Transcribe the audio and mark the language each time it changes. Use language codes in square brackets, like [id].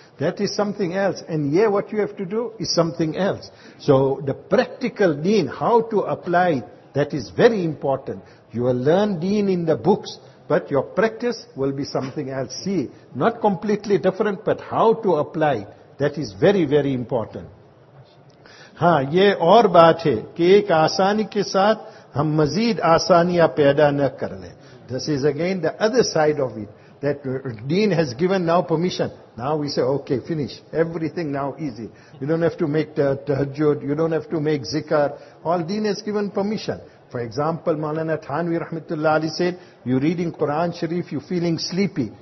[en] That is something else. And yeah, what you have to do is something else. So the practical deen, how to apply, that is very important. You will learn deen in the books, but your practice will be something else. See, not completely different, but how to apply, that is very, very important. [ur] ہاں یہ اور بات ہے کہ ایک آسانی کے ساتھ ہم مزید آسانیاں پیدا نہ کر لیں. [en] This is again the other side of it, that deen has given now permission. Now we say, okay, finish. Everything now easy. You don't have to make the tahajjud, you don't have to make zikr. All deen has given permission. For example, Maulana Thanvi Rahmatullah Ali said, you're reading Quran Sharif, you're feeling sleepy.